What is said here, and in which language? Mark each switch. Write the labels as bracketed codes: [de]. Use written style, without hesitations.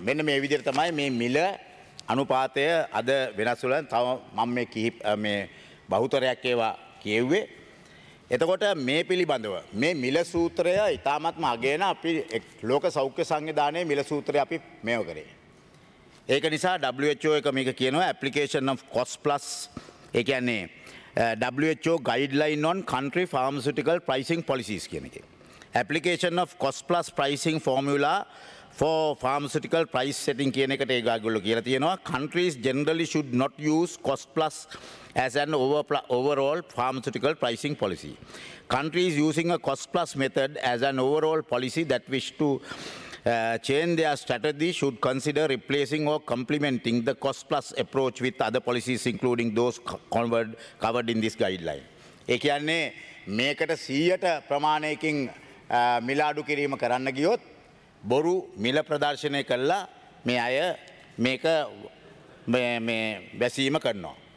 [si] මෙන්න මේ විදිහට තමයි මේ මිල අනුපාතය අද වෙනස් වෙලා තව මම මේ කිහිප මේ බහුතරයක් ඒවා කියෙව්වේ. එතකොට මේ පිළිබඳව මේ මිල සූත්‍රය ඉතාමත්ම අගේන අපි ලෝක සෞඛ්‍ය සංවිධානයේ මිල සූත්‍රය අපි මෙව කරේ. ඒක නිසා WHO එක මේක කියනවා [en] Application of cost plus. [si] ඒ කියන්නේ [en] WHO guideline on country pharmaceutical pricing policies [si] කියන එක. [en] Application of cost plus pricing formula for pharmaceutical price setting [si] කියන එකට ඒගොල්ලෝ කියලා තියෙනවා. [en] Countries generally should not use cost plus as an overall pharmaceutical pricing policy. Countries using a cost plus method as an overall policy that wish to change their strategy should consider replacing or complementing the cost plus approach with other policies including those covered in this guideline. [si] ඒ කියන්නේ මේකට 100% ප්‍රමාණයකින් මිල අඩු කිරීම කරන්න ගියොත් බොරු මිල ප්‍රදර්ශනය කළා මේ අය මේක මේ වැසීම කරනවා.